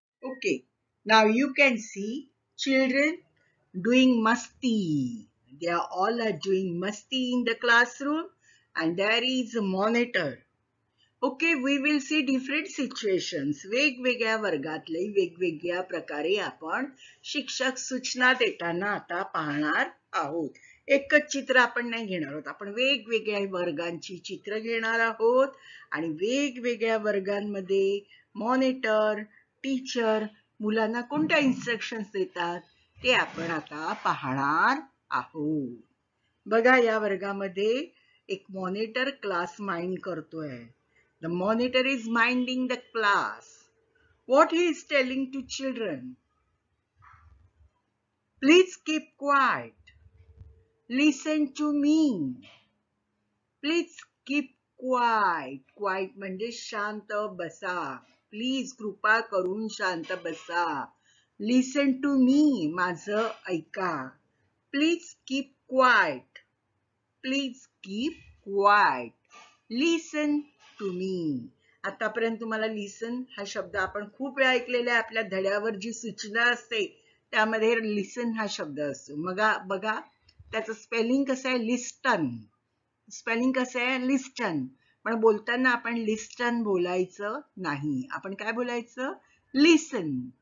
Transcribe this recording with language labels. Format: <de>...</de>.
<en>Okay, now you can see children doing masti. They are all are doing masti in the classroom and there is a monitor. Okay, we will see different situations.</en> <mr>वेगवेगळ्या वर्गातले वेगवेगळ्या प्रकारे आपण शिक्षक सूचना देताना आता पाहणार आहोत. एकच चित्र आपण नाही घेणार आहोत, आपण वेगवेगळ्या वर्गांची चित्र घेणार आहोत आणि वेगवेगळ्या वर्गांमध्ये मॉनिटर टीचर मुलांना कोणत्या इन्स्ट्रक्शन्स देतात ते आपण आता पाहणार आहोत. बघा, या वर्गामध्ये एक मॉनिटर क्लास माइंड करतोय.</mr> <en>The monitor is minding the class. What he is telling to children? Please keep quiet, listen to me. Please keep quiet, quiet</en> <mr>म्हणजे शांत बसा. प्लीज, कृपा करून शांत बसा.</mr> <en>listen to me,</en> <mr>माझ ऐका.</mr> <en>Please keep quiet, please keep quiet, listen to me.</en> <mr>आतापर्यंत तुम्हाला लिसन हा शब्द आपण खूप वेळा ऐकलेला आहे. आपल्या धड्यावर जी सूचना असते त्यामध्ये लिसन हा शब्द असतो. मग बघा, त्याचं स्पेलिंग कसं आहे, लिस्टन. स्पेलिंग कसं आहे, लिस्टन. पण बोलताना आपण लिस्टन बोलायचं नाही, आपण काय बोलायचं, लिसन.</mr>